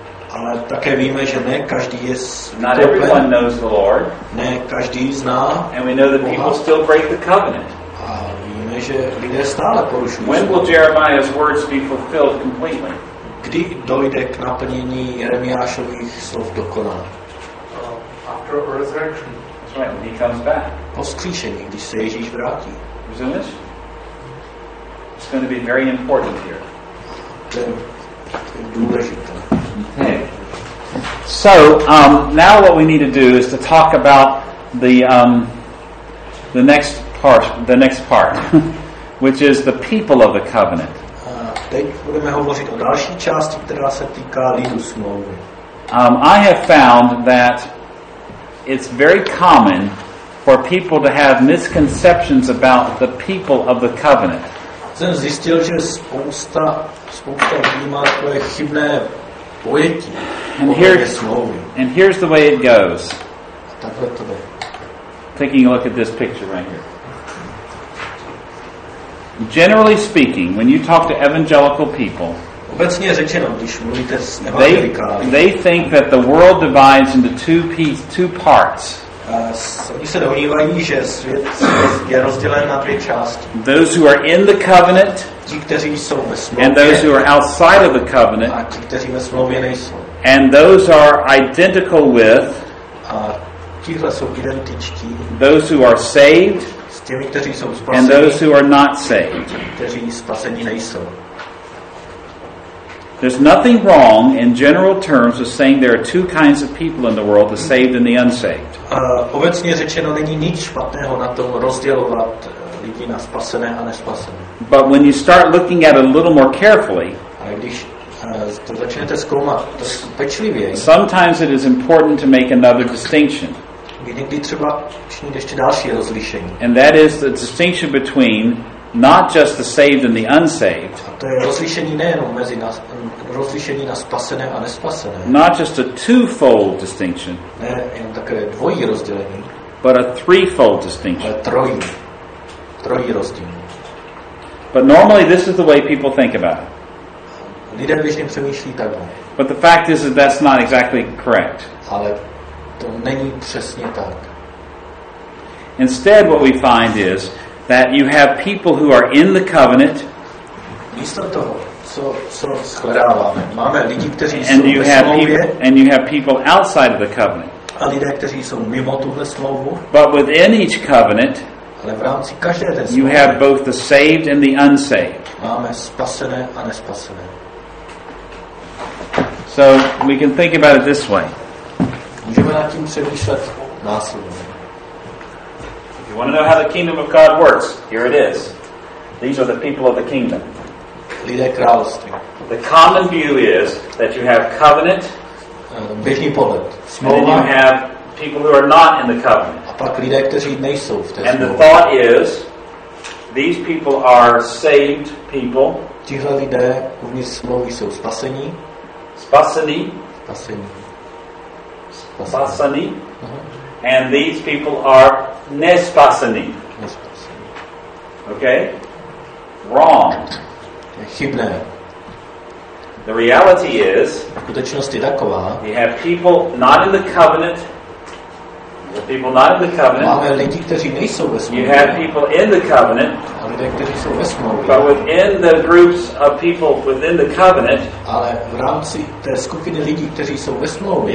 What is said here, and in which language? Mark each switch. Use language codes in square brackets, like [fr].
[cs] Ale také víme, že ne každý je skupen. [en] Not everyone knows the Lord. [cs] Ne každý zná. [en] And we know that people still break the covenant. [cs] A víme, že lidé stále porušují smlouvu. [en] When will Jeremiah's words be fulfilled completely? [cs] Kdy dojde k naplnění Jeremiášových slov dokonale? [en] After resurrection. That's right, when he comes back. [cs] Po vzkříšení, když se Ježíš vrátí. Rozumíš? [en] It's going to be very important here. [cs] To je důležité. [en] Okay. So, now what we need to do is to talk about the next part, which is the people of the covenant. Teď budeme hovořit o další části, která se týká lidu smlouvy. I have found that it's very common for people to have misconceptions about the people of the covenant. [cs] jsem zjistil, že spousta lidí má takové chybné pojetí. [en] And here's, the way it goes. [cs] Takhle to jde. [en] Taking a look at this picture right here. Generally speaking, when you talk to evangelical people, [cs] obecně řečeno, když mluvíte s evangelikály, [en] they think that the world divides into two parts. [cs] Oni se domnívají, že svět je rozdělen na dvě části. [en] Those who are in the covenant, [cs] ti, kteří jsou ve smlouvě, [en] and those who are outside of the covenant, [cs] a ti, kteří ve smlouvě nejsou. [en] And those are identical with, [cs] a tihle jsou identičtí, [en] those who are saved, [cs] s těmi, kteří jsou spasení, [en] and those who are not saved, [cs] kteří spasení nejsou. [en] There's nothing wrong in general terms with saying there are two kinds of people in the world, the saved and the unsaved. [cs] Obecně řečeno není nic špatného na tom rozdělovat lidi na spasené a nespasené. [en] But when you start looking at it a little more carefully, [cs] když začnete zkoumat pečlivě, [en] sometimes it is important to make another distinction. [cs] Někdy třeba činit ještě další rozlišení. [en] And that is the distinction between not just the saved and the unsaved. [cs] A to je rozlišení nejenom mezi nás, rozlišení na spasené a nespasené. [en] Not just a twofold distinction. [cs] Ne, jen takové dvojí rozdělení. [en] But a threefold distinction. [cs] Ale trojí rozdělení. [en] But normally this is the way people think about it. [cs] Lidé běžně přemýšlí takhle. [en] But the fact is that that's not exactly correct. [cs] Ale to není přesně tak. [en] Instead, what we find is that you have people who are in the covenant. [cs] Místo toho, co shledáváme, máme lidi, kteří [en] and [cs] jsou [en] you [cs] ve [en] have [cs] smlouvě, [en] and you have people outside of the covenant. [cs] A lidé, kteří jsou mimo tuhle smlouvu. [en] But within each covenant, [cs] ale v rámci každé té smlouvy, [en] you have both the saved and the unsaved. [cs] Máme spasené a nespasené. [en] So we can think about it this way. [cs] Můžeme nad tím přemýšlet následně. [en] You want to know how the kingdom of God works? Here it is. These are the people of the kingdom. [cs] Lidé království. [en] The common view is that you have covenant. [cs] Běžný pohled. Smlouva. [en] And then you have people who are not in the covenant. [cs] A pak lidé, kteří nejsou v té smlouvě. [en] And the thought is, these people are saved people. [cs] Tihle lidé uvnitř smlouvy jsou spasení. Spasení. Spasení. Spasení. Spasení. [en] Uh-huh. And these people are [cs] nespasení. [en] Okay? Wrong. [cs] Chybné. [en] The reality is, [cs] skutečnost je taková, [en] we have people not in the covenant. People not in the covenant. [cs] Máme lidi, kteří nejsou ve smlouvě. [en] You have people in the covenant. [cs] A lidé, kteří jsou ve smlouvě. [en] But within the groups of people within the covenant, [cs] ale v rámci té skupiny lidí, kteří jsou ve smlouvě,